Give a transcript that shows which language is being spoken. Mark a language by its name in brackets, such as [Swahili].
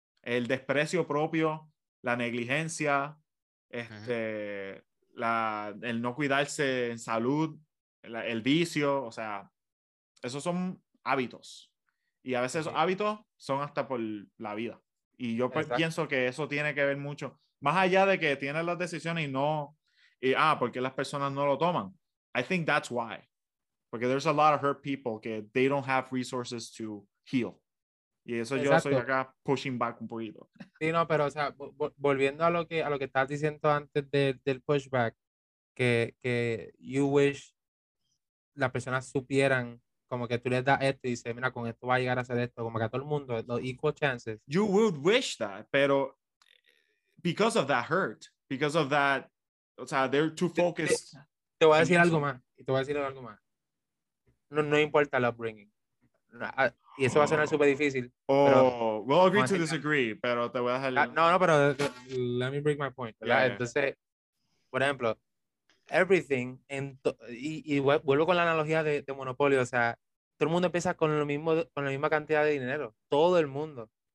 [Spanish] El desprecio propio, la negligencia, el no cuidarse en salud, el vicio, o sea, esos son hábitos. Y a veces esos hábitos son hasta por la vida. Y yo pienso que eso tiene que ver mucho. Más allá de que tienen las decisiones y no... porque las personas no lo toman. [English] I think that's why. [Spanish] Porque [English] there's a lot of hurt people [Spanish] que [English] they don't have resources to heal. [Spanish] Y eso yo soy acá [English] pushing back [Spanish] un poquito. Sí, no, pero o sea, volviendo a lo que estás diciendo antes del pushback, que [English] you wish [Spanish] las personas supieran, como que tú les das esto y dices, mira, con esto va a llegar a hacer esto, como que a todo el mundo, los [English] equal chances. You would wish that, [Spanish] pero [English] because of that hurt, because of that, [Spanish] o sea, [English] they're too focused. [Spanish] Te voy a decir algo más, y te voy a decir algo más. No, no importa el upbringing. Y eso va a sonar súper difícil. [English] Oh, we'll agree to disagree, [Spanish] pero te voy a dejar... [English] Let me break my point. Yeah, yeah. [Spanish] Entonces, por ejemplo, [English] everything, [Spanish] y vuelvo con la analogía de Monopoly, o sea, todo el mundo empieza con lo mismo, con la misma cantidad de dinero, todo el mundo.